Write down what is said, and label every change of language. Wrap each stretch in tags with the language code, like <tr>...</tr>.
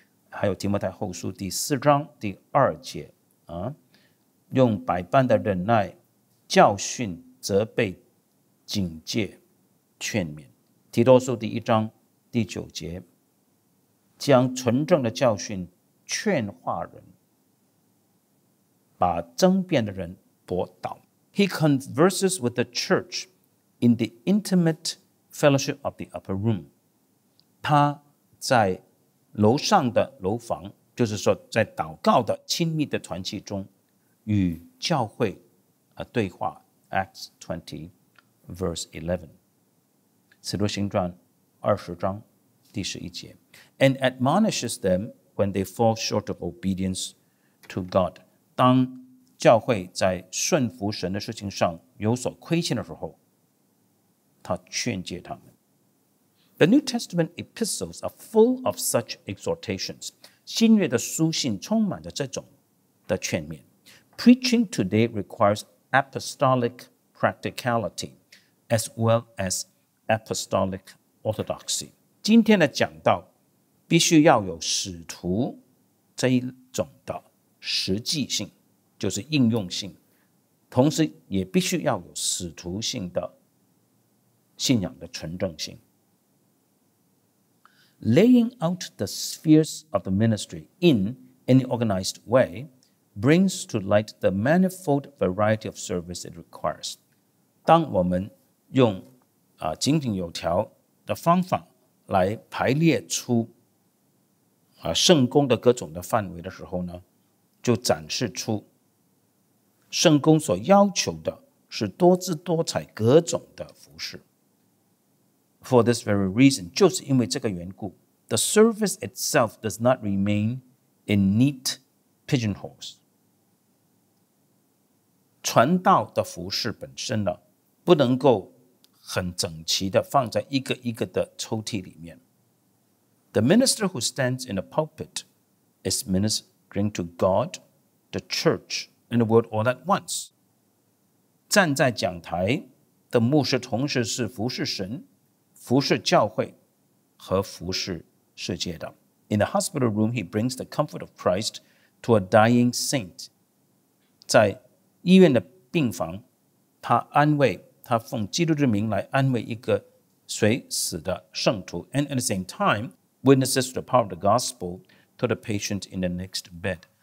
<zh>还有提摩太后书第四章第二节，用百般的忍耐教训责备警戒劝勉。提多书第一章第九节，将纯正的教训劝化人，把争辩的人驳倒。</zh> <en>He converses with the church in the intimate fellowship of the upper room.</en> <zh>他在楼上的楼房，就是说在祷告的亲密的团契中与教会对话。</zh> <en>Acts 20 verse 11.</en> <zh>使徒行传二十章第十一节。</zh> <en>And admonishes them when they fall short of obedience to God.</en> <zh>当教会在顺服神的事情上有所亏欠的时候，他劝诫他们。</zh> <en>The New Testament epistles are full of such exhortations.</en> <zh>新约的书信充满着这种的劝勉。</zh> <en>Preaching today requires apostolic practicality as well as apostolic orthodoxy.</en> <zh>今天的讲道必须要有使徒这一种的实际性，就是应用性，同时也必须要有使徒性的信仰的纯正性。</zh> <en>Laying out the spheres of the ministry in any organized way brings to light the manifold variety of service it requires.</en> <zh>当我们用井井有条的方法来排列出圣工的各种的范围的时候呢，就展示出圣工所要求的是多姿多彩各种的服事。</zh> <en>For this very reason,</en> <zh>就是因为这个缘故，</zh> <en>The service itself does not remain in neat pigeonholes.</en> <zh>传道的服事本身呢，不能够很整齐的放在一个一个的抽屉里面。</zh> <en>The minister who stands in a pulpit is ministering to God, the church,in the world all at once.</en> <zh>站在讲台的牧师同时是服侍神、服侍教会和服侍世界的。</zh> <en>In the hospital room, he brings the comfort of Christ to a dying saint.</en> <zh>在医院的病房，他安慰，他奉基督之名来安慰一个垂死的圣徒。</zh> <en>And at the same time, witnesses the power of the gospel to the patient in the next bed.</en>